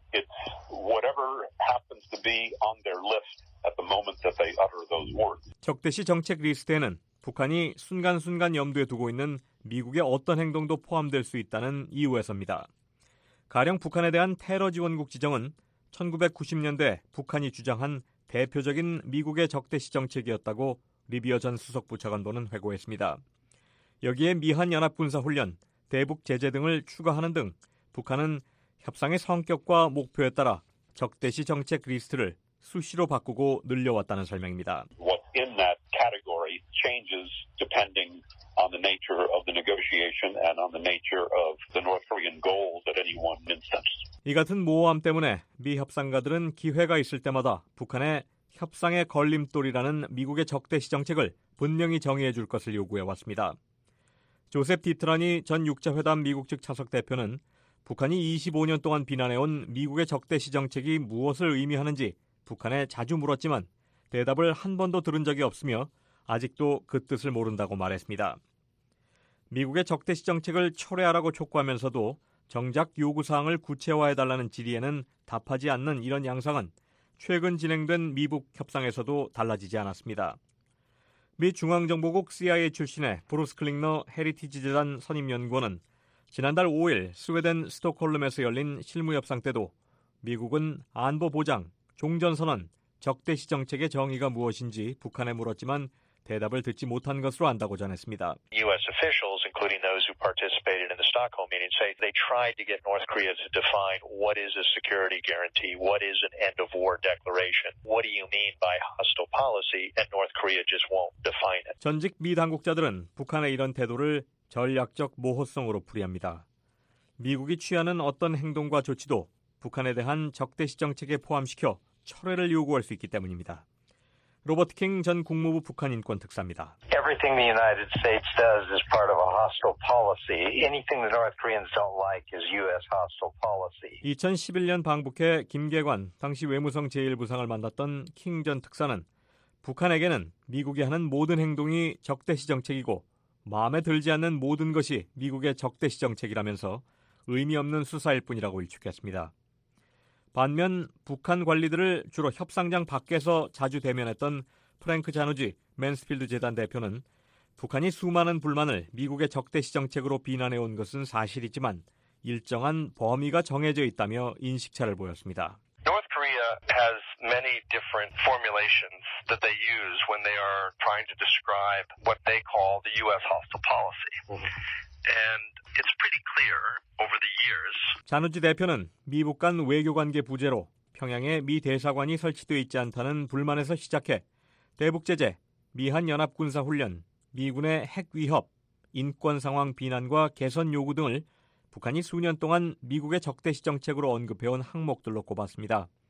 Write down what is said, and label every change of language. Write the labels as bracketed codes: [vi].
[en] It's whatever happens to be on their list at the moment that they utter those words. [ko] 적대시 정책 리스트에는 북한이 순간순간 염두에 두고 있는 미국의 어떤 행동도 포함될 수 있다는 이유에서입니다. 가령 북한에 대한 테러 지원국 지정은 1990년대 북한이 주장한 대표적인 미국의 적대시 정책이었다고 리비어 전 수석부 차관도는 회고했습니다. 여기에 미한연합군사훈련, 대북제재 등을 추가하는 등 북한은 협상의 성격과 목표에 따라 적대시 정책 리스트를 수시로 바꾸고 늘려왔다는 설명입니다. [en] What's in that category changes depending on the nature of the negotiation and on the nature of the North Korean goals at any one instance. [ko] 이 같은 모호함 때문에 미 협상가들은 기회가 있을 때마다 북한의 협상의 걸림돌이라는 미국의 적대시 정책을 분명히 정의해줄 것을 요구해왔습니다. 조셉 디트라니 전 6자회담 미국 측 차석 대표는 북한이 25년 동안 비난해온 미국의 적대시 정책이 무엇을 의미하는지 북한에 자주 물었지만 대답을 한 번도 들은 적이 없으며 아직도 그 뜻을 모른다고 말했습니다. 미국의 적대시 정책을 철회하라고 촉구하면서도 정작 요구사항을 구체화해달라는 질의에는 답하지 않는 이런 양상은 최근 진행된 미북 협상에서도 달라지지 않았습니다. 미 중앙정보국 CIA 출신의 브루스 클링너 헤리티지 재단 선임연구원은 지난달 5일 스웨덴 스톡홀름에서 열린 실무협상 때도 미국은 안보 보장, 종전선언, 적대시 정책의 정의가 무엇인지 북한에 물었지만 대답을 듣지 못한 것으로 안다고 전했습니다. [en] U.S. officials, including those who participated in the Stockholm meeting, say they tried to get North Korea to define what is a security guarantee, what is an end-of-war declaration, what do you mean by hostile policy, and North Korea just won't define it. [ko] 전직 미 당국자들은 북한의 이런 태도를 전략적 모호성으로 풀이합니다. 미국이 취하는 어떤 행동과 조치도 북한에 대한 적대시 정책에 포함시켜 철회를 요구할 수 있기 때문입니다. 로버트 킹 전 국무부 북한 인권 특사입니다. [en] Everything the United States does is part of a hostile policy. Anything the North Koreans don't like is U.S. hostile policy. [ko] 2011년 방북해 김계관 당시 외무성 제1부상을 만났던 킹 전 특사는 북한에게는 미국이 하는 모든 행동이 적대시 정책이고 마음에 들지 않는 모든 것이 미국의 적대시 정책이라면서 의미 없는 수사일 뿐이라고 일축했습니다. 반면 북한 관리들을 주로 협상장 밖에서 자주 대면했던 프랭크 자누지 맨스필드 재단 대표는 북한이 수많은 불만을 미국의 적대시 정책으로 비난해온 것은 사실이지만 일정한 범위가 정해져 있다며 인식차를 보였습니다. [en] North Korea has many different formulations that they use when they are trying to describe what they call the U.S. hostile policy. And it's pretty clear over the years. [ko] 잔우지 대표는 미국 간 외교관계 부재로 평양에 미 대사관이 설치되어 있지 않다는 불만에서 시작해 대북제재, 미한연합군사훈련, 미군의 핵 위협, 인권 상황 비난과 개선 요구 등을 북한이 수년 동안 미국의 적대시 정책으로 언급해온 항목들로 꼽았습니다.